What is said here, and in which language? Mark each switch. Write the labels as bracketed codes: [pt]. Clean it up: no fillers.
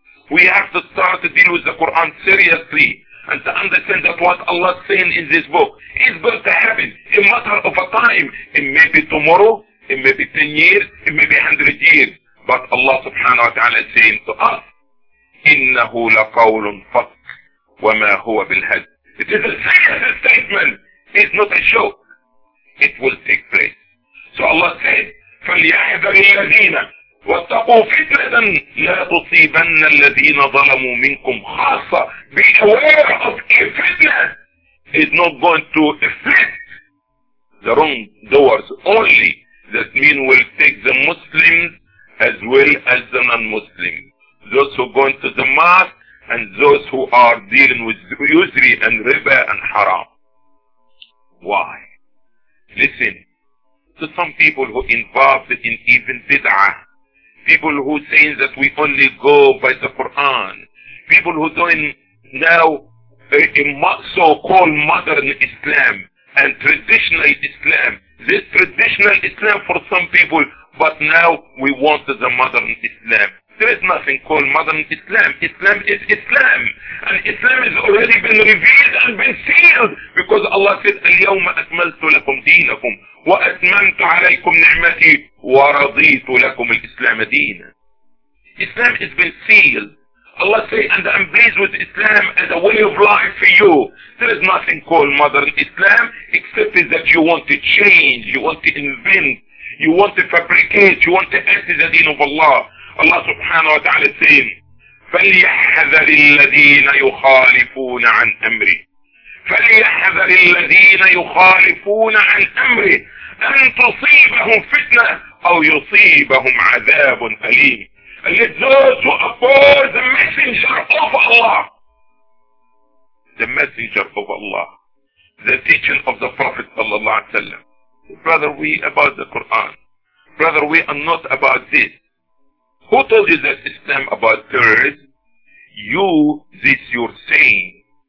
[en] We have to start to deal with the Quran seriously and to understand that what Allah is saying in this book is going to happen in a matter of a time. It may be tomorrow, it may be 10 years, it may be 100 years. But Allah subhanahu wa ta'ala is saying to us, [ar] إِنَّهُ لَقَوْلٌ فَصْلٌ وَمَا هُوَ بِالْهَزْلِ. [en] It is a serious statement. It's not a joke. It will take place. So Allah said, [ar] فَلْيَحْذَرِ الَّذِينَ وَاتَّقُوا فِتْنَةً لَا تُصِيبَنَّ الَّذِينَ ظَلَمُوا مِنْكُمْ خَاصَّةً. [en] Be aware of a fitna. It's not going to affect the wrong doers only. That mean will take the Muslims as well as the non-Muslims. Those who are going to the mosque and those who are dealing with usury and riba and haram. Why? Listen, to some people who involved in even bid'ah, people who saying that we only go by the Quran, people who doing now a so-called modern Islam and traditional Islam, this traditional Islam for some people, but now we want the modern Islam. There is nothing called modern Islam. Islam is Islam. And Islam has already been revealed and been sealed. Because Allah said, [ar] اليوم أكملت لكم دينكم وأتممت عليكم نعمتي ورضيت لكم الإسلام دينا. [en] Islam has been sealed. Allah said, and I'm pleased with Islam as a way of life for you. There is nothing called modern Islam except that you want to change, you want to invent, you want to fabricate, you want to add to the deen of Allah. [ar] Allah subhanahu wa ta'ala [en] is saying, [ar] فَلْيَحْذَرِ الَّذِينَ يُخَالِفُونَ عَنْ أَمْرِ فَلْيَحْذَرِ الَّذِينَ يُخَالِفُونَ عَنْ أَمْرِ أَنْ تُصِيبَهُمْ فِتْنَةً أَوْ يُصِيبَهُمْ عَذَابٌ أَلِيمٌ. [en] Let those who oppose the messenger of Allah, the messenger of Allah, the teaching of the Prophet sallallahu alayhi wa sallam. Brother, we about the Quran. Brother, we are not about this. Who told you that Islam about terrorism? You, this you're saying.